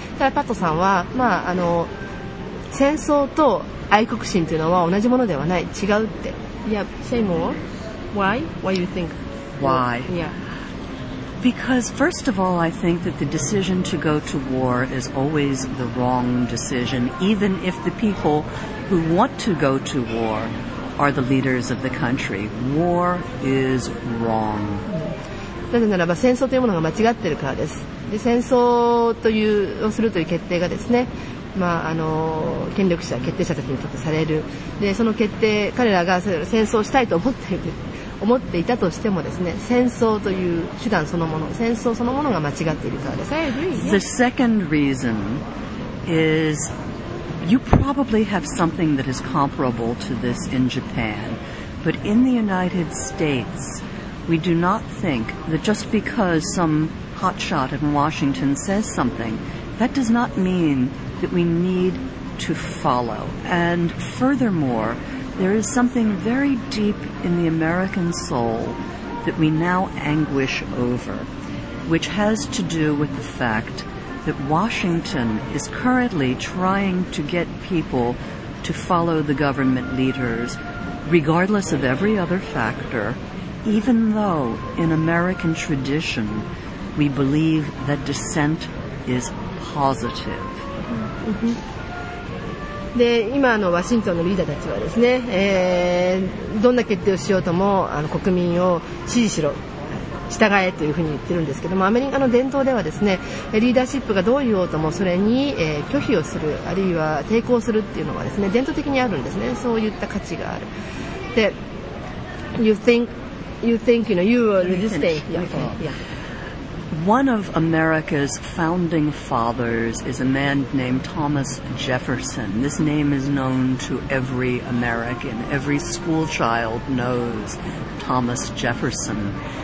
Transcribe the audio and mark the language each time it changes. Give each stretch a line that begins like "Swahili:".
Japanese: だからパットさんは、まあ、戦争と愛国心というのは同じものではない、違うって。
English: Yeah, say more. Why? What do you think? Why? Yeah. Because first of all, I think that the decision to go to war is always the wrong decision, even if the peopleWho want to go to war are the leaders of the country. War is wrong.
Japanese: なぜならば戦争というものが間違っているからです。で、戦争というをするという決定がですね、まあ、権力者、決定者たちにとってされる。で、その決定、彼らが戦争したいと思っていたとしてもですね、戦争という手段そのもの、戦争そのものが間違っているからです。
English: I agree. The second reason is... You probably have something that is comparable to this in Japan, but in the United States, we do not think that just because some hotshot in Washington says something, that does not mean that we need to follow. And furthermore, there is something very deep in the American soul that we now anguish over, which has to do with the fact that Washington is currently trying to get people to follow the government leaders, regardless of every other factor, even though in American tradition, we believe that dissent is positive.
Japanese: で、今のワシントンのリーダーたちはですね、どんな決定をしようとも、国民を支持しろ。従えというふうに言ってるんですけども、アメリカの伝統ではですね、リーダーシップがどう言おうともそれに、拒否をする、あるいは抵抗するっていうのはですね、伝統的にあるんですね。そういった価値がある。
English: で、you think, you know, you are resisting. One of America's founding fathers is a man named Thomas Jefferson. This name is known to every American. Every school child knows Thomas Jefferson.